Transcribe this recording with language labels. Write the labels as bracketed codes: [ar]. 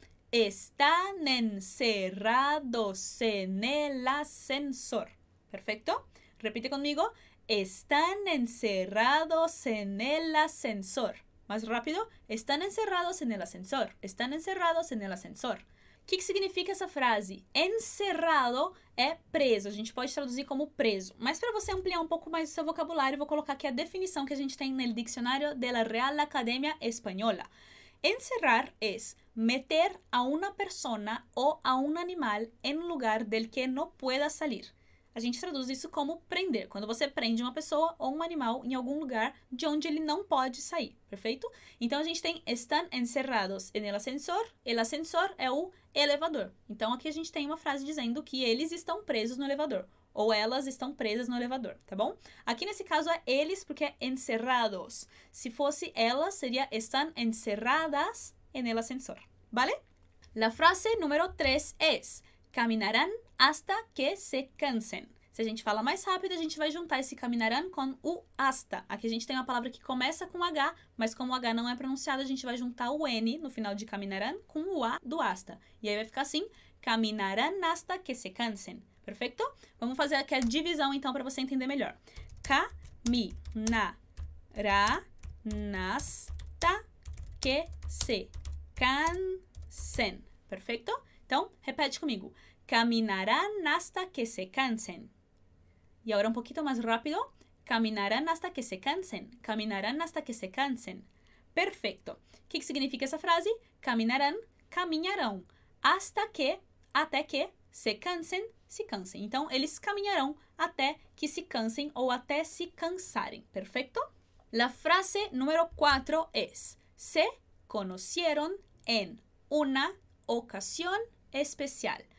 [es] Están encerrados en el ascensor. Perfecto. Repite conmigo. Están encerrados en el ascensor. Más rápido. Están encerrados en el ascensor. Están encerrados en el ascensor. ¿Qué significa esa frase? [pt] Encerrado é preso. A gente pode traduzir como preso. Mas para você ampliar um pouco mais o seu vocabulário, vou colocar aqui a definição que a gente tem no diccionário de la Real Academia Española. [es] Encerrar es meter a una persona o a un animal en lugar del que no pueda salir. [pt] A gente traduz isso como prender, quando você prende uma pessoa ou um animal em algum lugar de onde ele não pode sair, perfeito? Então a gente tem [es] están encerrados en el ascensor [pt] é o elevador. Então aqui a gente tem uma frase dizendo que eles estão presos no elevador, ou elas estão presas no elevador, tá bom? Aqui nesse caso é eles, porque é encerrados. Se fosse elas, seria [es] están encerradas en el ascensor, ¿vale? La frase número 3 es caminarán hasta que se cansen. [pt] Se a gente fala mais rápido, a gente vai juntar esse caminarán com o hasta. Aqui a gente tem uma palavra que começa com H, mas como o H não é pronunciado, a gente vai juntar o N no final de caminarán com o A do hasta. E aí vai ficar assim, [es] caminarán hasta que se cansen. [pt] Perfeito? Vamos fazer aqui a divisão, então, para você entender melhor. [es] Caminarán hasta que se cansen. [pt] Perfeito? Então, repete comigo. [es] Caminarán hasta que se cansen. Y ahora un poquito más rápido. Caminarán hasta que se cansen. Caminarán hasta que se cansen. Perfecto. ¿Qué significa esa frase? Caminarán, caminarán. Hasta que se cansen, se cansen. [pt] Então, eles caminarão até que se cansem ou até se cansarem. [es] Perfecto. La frase número 4 es: se conocieron en una ocasión especial.